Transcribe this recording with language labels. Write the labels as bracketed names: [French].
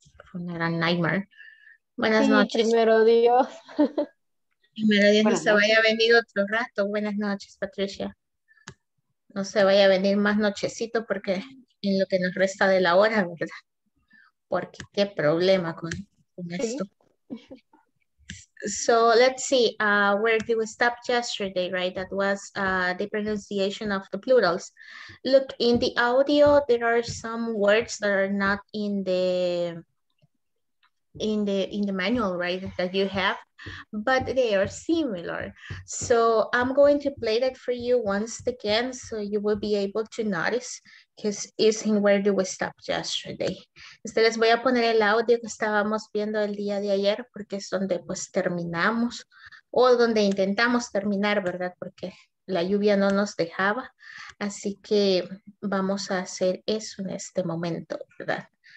[Spanish] Fue un gran nightmare. Buenas noches. Primero Dios. Primero Dios, no se vaya a venir otro rato. Buenas noches, Patricia. No se vaya a venir más nochecito porque en lo que nos resta de la hora, ¿verdad? Porque qué problema con esto. [English] So let's see where did we stop yesterday, right? That was the pronunciation of the plurals. Look, in the audio, there are some words that are not in the manual, right, that you have, but they are similar. So I'm going to play that for you once again, so you will be able to notice, because it's in where do we stop yesterday. [Spanish] Entonces les voy a poner el audio que estábamos viendo el día de ayer, porque es donde pues terminamos, o donde intentamos terminar, ¿verdad? Porque la lluvia no nos dejaba, así que vamos a hacer eso en este momento, ¿verdad?